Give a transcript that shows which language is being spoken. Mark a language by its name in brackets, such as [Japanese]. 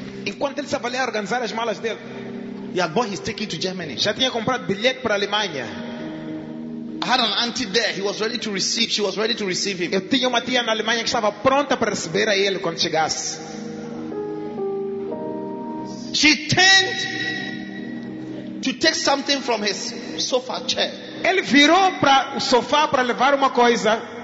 [Portuguese] enquanto ele estava ali a organizar as malas dele, [English] yeah, boy, he's taking to Germany. [Portuguese] Já tinha comprado bilhete para a Alemanha. [English] I had an auntie there. He was ready to receive. She was ready to receive him. [Portuguese] Eu tinha uma tia na Alemanha que estava pronta para receber a ele quando chegasse. [English] She turned to take something from his sofa chair. [Portuguese] Ele virou para o sofá para levar uma coisa.